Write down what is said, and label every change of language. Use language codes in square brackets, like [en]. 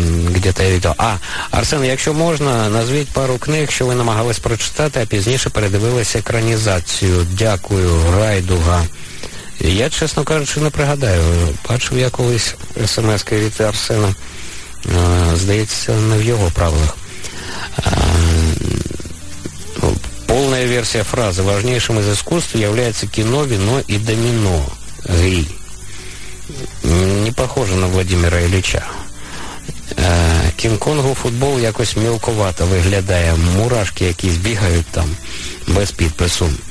[ru] Где-то я видел. [uk] А, Арсен, якщо можна, назвіть пару книг, що ви намагались прочитати, а пізніше передивилися екранізацію. Дякую, Райдуга. Я, чесно кажучи, не пригадаю. Бачив я колись смс-ки від Арсена. Здається, не в його правилах. [ru] Полная версия фразы. Важнейшим из искусств является кино, вино и домино. Гей. Не похоже на Владимира Ильича. [uk] Кінг-Конгу футбол якось мелковато виглядає. Мурашки якісь бігають там без підпису.